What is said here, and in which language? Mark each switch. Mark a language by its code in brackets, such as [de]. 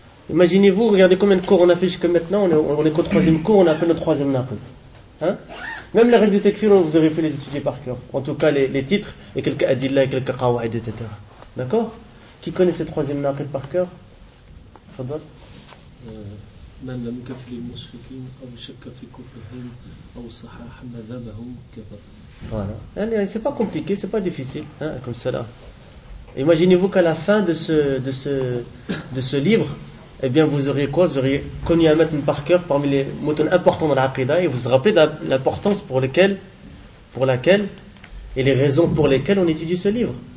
[fr] Imaginez-vous, regardez combien de cours on a fait jusqu'à maintenant. On est qu'au troisième cours, on a fait le troisième naqid. Hein? Même les règles du takfir, vous aurez fait les étudier par cœur. En tout cas, les titres, et quelques adillah, et quelques qawaid, etc. D'accord ? Qui connaît ce troisième naqid par cœur ? Fadal ? [ar] من لم يكف للمشركين أو شك في كفرهم أو صحاح مذهبهم كفر. [fr] Voilà. Yani, c'est pas compliqué, c'est pas difficile, hein, comme cela. Imaginez-vous qu'à la fin de ce livre, eh bien, vous auriez quoi? Vous auriez connu un maître par cœur parmi les motons importants dans l'aqida et vous vous rappelez l'importance pour laquelle et les raisons pour lesquelles on étudie ce livre.